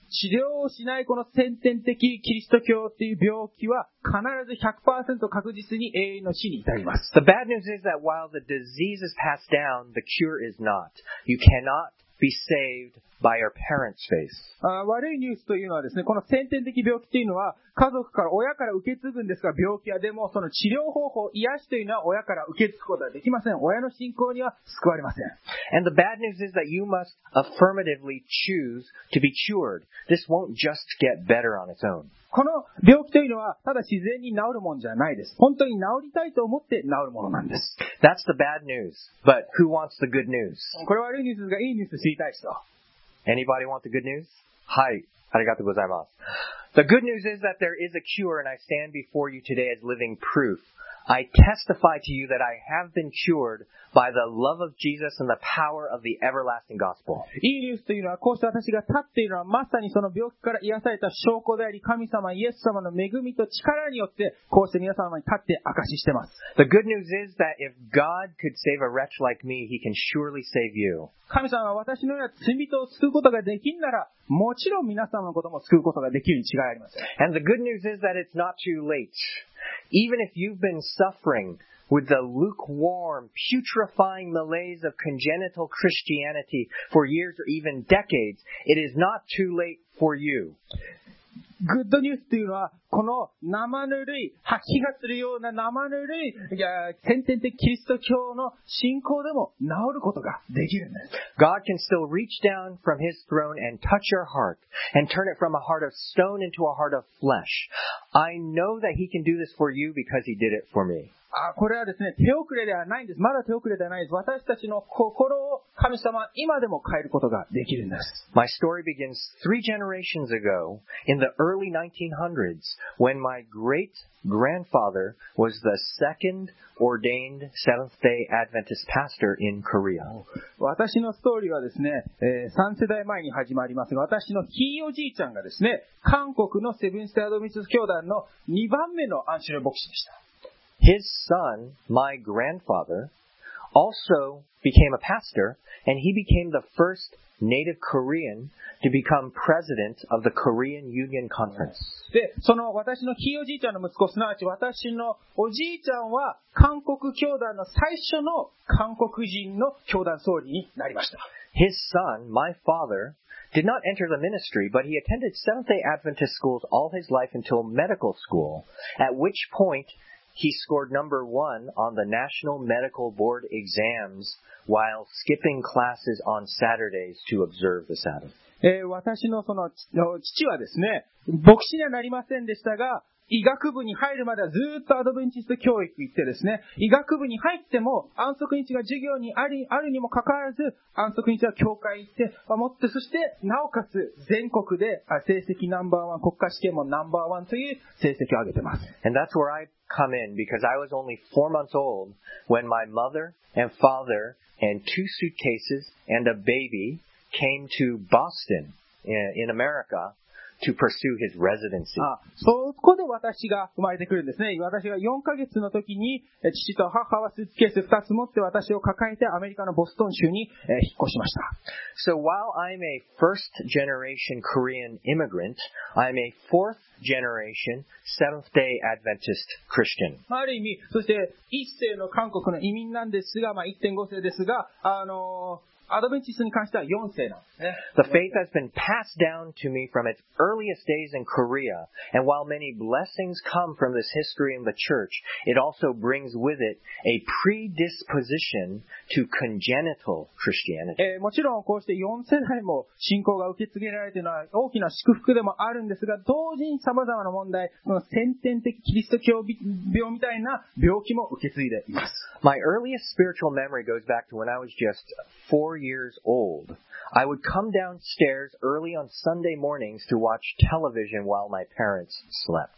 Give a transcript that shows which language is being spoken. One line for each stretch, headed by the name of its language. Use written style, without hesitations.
Japanese: 治療をしないこの先天的キリスト教という病気は必ず 100% 確実に永遠の死に至ります。
English: The bad news is that while the disease is passed down, the cure is not. You cannot be saved by your parents' faith.
Japanese: 悪いニュースというのはですね、この先天的病気というのは家族から親から受け継ぐんですが、病気はでもその治療方法、癒しというのは親から受け継ぐことはできません。親の信仰には救われません。
English: And the bad news is that you must affirmatively choose to be cured. This won't just get better on its own.
Japanese: この病気というのはただ自然に治るものじゃないです。本当に治りたいと思って治るものなんです。
English: That's the bad news, but who wants the good news?
Japanese: これは悪いニュースですが、いいニュース知りたい人。
English: Anybody want the good news?
Japanese: はい、ありがとうございます。
English: The good news is that there is a cure and I stand before you today as living proof. I testify to you that I have been cured by the love of Jesus and the power of the everlasting gospel.
Japanese: いいニュースというのは、こうして私が立っているのは、まさにその病気から癒された証拠であり、神様、イエス様の恵みと力によって、こうして皆様に立って証ししています。
English: The good news is that if God could save a wretch like me, He can surely save you.
Japanese: 神様は私のような罪人を救うことができんなら、もちろん皆様のことも救うことができるに違いありません。
English: And the good news is that it's not too late. Even if you've been suffering,With the lukewarm, putrefying malaise of congenital Christianity for years or even decades, it is not too late for you. Good news
Japanese: というのは、この生ぬるい、吐き気するような生ぬるい、先天的キリスト教の信仰でも治ることができるんです。
English: God can still reach down from His throne and touch your heart and turn it from a heart of stone into a heart of flesh. I know that He can do this for you because He did it for me.
Japanese: これはですね、手遅れではないんです。まだ手遅れではないです。私たちの心を神様は今でも変えることができるんです。
English: My story begins three generations ago in the early 1900s when my great grandfather was the second ordained Seventh-day Adventist pastor in Korea.
Japanese: 私のストーリーはですね、三世代前に始まりますが、私のひいおじいちゃんがですね、韓国のセブンス・アドミス教団の2番目の安息日牧師でした。
English: His son, my grandfather, also became a pastor, and he became the first native Korean to become president of the Korean Union Conference.
Japanese: で、その私のひいおじいちゃんの息子、すなわち私のおじいちゃんは韓国教団の最初の韓国人の教団総理になりました。
English: His son, my father, did not enter the ministry, but he attended Seventh-day Adventist schools all his life until medical school, at which point,He scored number one on the National Medical Board exams while skipping classes on Saturdays to observe the Sabbath.
Japanese: 私のその父はですね、牧師にはなりませんでしたが、医学部に入るまではずーっとアドベンチスト教育行ってですね、医学部に入っても安息日が授業にあるにもかかわらず、安息日は教会行って守って、そしてなおかつ全国で成績ナンバーワン、国家試験もナンバーワンという成績を上げてます。
English: And that's where I come in, because I was only 4 months old when my mother and father and 2 suitcases and a baby came to Boston in America. To pursue his residency.
Japanese: ああ、そこで私が生まれてくるんですね。私が4ヶ月の時に父と母はスーツケース2つ持って私を抱えてアメリカのボストン州に引っ越しました。
English: So while I'm a first generation Korean immigrant, I'm a fourth generation Seventh-day Adventist Christian.
Japanese: ある意味、そして一世の韓国の移民なんですが、まあ 1.5 世ですが、アドベンチストに関しては4世なんですね。
English: The faith has been passed down to me from its earliest days in Korea, and while many blessings come from this history in the church, it also brings with it a predisposition to congenital Christianity.
Japanese: もちろんこうして4世代も信仰が受け継げられているのは大きな祝福でもあるんですが、同時に様々な問題、その先天的キリスト教病みたいな病気も受け継いでいます。
English: My earliest spiritual memory goes back to when I was just 4 years old. I would come downstairs early on Sunday mornings to watch television while my parents slept.